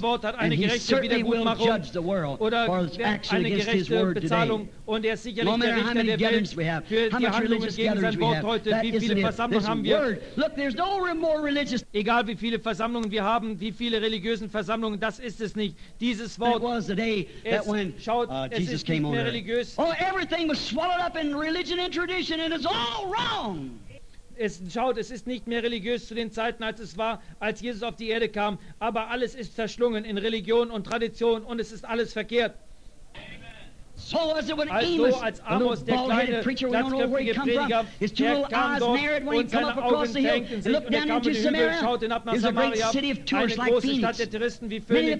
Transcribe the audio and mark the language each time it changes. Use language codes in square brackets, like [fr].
[de] Sein Wort hat eine gerechte Wiedergutmachung oder eine gerechte Bezahlung. Und er ist sicherlich der Richter der Welt für die Handlungen gegen sein Wort heute. Wie viele Versammlungen haben wir? [en] Look, there's no more religious. [de] Egal wie viele Versammlungen wir haben, wie viele religiösen Versammlungen, das ist es nicht. Dieses Wort, es ist nicht mehr religiös. [en] Oh, everything was swallowed up in religion and tradition and it's all wrong. [de] Es ist nicht mehr religiös zu den Zeiten, als es war, als Jesus auf die Erde kam. Aber alles ist verschlungen in Religion und Tradition und es ist alles verkehrt. [en] so was it with Amos, [de] als Amos, der kleine, glatzköpfige Prediger, der kam dort und seine Augen senkten sich und er kam in den Hügel, schaute hinab nach Samaria, eine große Stadt der Touristen wie Phönix.